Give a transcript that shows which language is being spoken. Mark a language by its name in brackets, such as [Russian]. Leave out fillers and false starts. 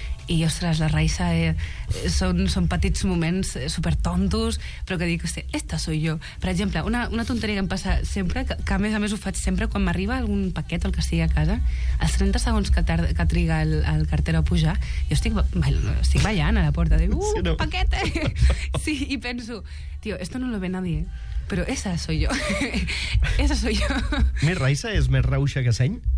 [Catalan] i, ostres, la Raïssa, són petits moments supertontos, però que dic, hòstia, [Spanish] esta soy yo. [Catalan] Per exemple, una tonteria que em passa sempre, que a més ho faig sempre quan m'arriba algun paquet o el que estigui a casa, els 30 segons que triga el cartero a pujar, jo estic ballant a la porta, dic, paquete! Sí, i penso, tio, [Spanish] esto no lo ve nadie, [Catalan] però [Spanish] esa soy yo. Esa soy yo. [Catalan] Més Raïssa és més rauxa que seny?